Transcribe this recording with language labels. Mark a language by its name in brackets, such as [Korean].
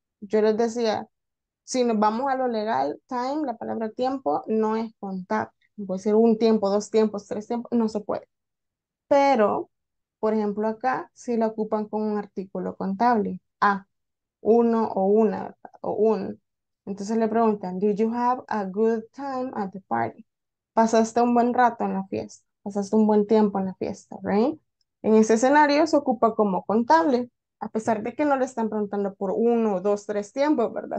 [Spanish] Yo les decía, si nos vamos a lo legal, time, la palabra tiempo, no es contable. Puede ser un tiempo, dos tiempos, tres tiempos, no se puede. Pero, por ejemplo, acá, si la ocupan con un artículo contable, uno o una, o un. Entonces le preguntan, [English] did you have a good time at the party? [Spanish] ¿Pasaste un buen rato en la fiesta? ¿Pasaste un buen tiempo en la fiesta? ¿Right? En ese escenario se ocupa como contable, a pesar de que no le están preguntando por uno, dos, tres tiempos, ¿verdad?